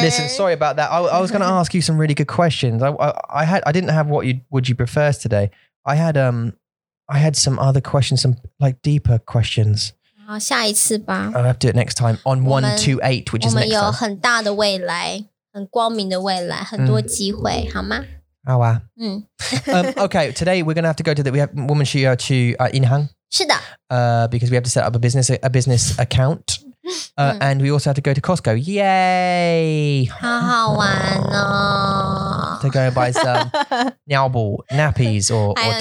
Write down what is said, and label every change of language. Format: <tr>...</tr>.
<en>Listen, sorry about that I was going to ask you some really good questions I didn't have what you would you prefer today I had some other questions Some like deeper questions</en> <zh>好下一次吧</zh> <en>I'll have to do it next time On 128, which is next time</en> <zh>我们有很大的未来很光明的未来很多机会、嗯、好吗好啊、嗯、</zh> <en>Okay, today we're going to have to go to the, We have</en> <zh>我们需要去银行是的</zh> <en>Because we have to set up a business account, and we also have to go to Costco. Yay!</en> <zh>好好玩哦</zh> <en>To go buy some 尿布 nappies or diapers</en>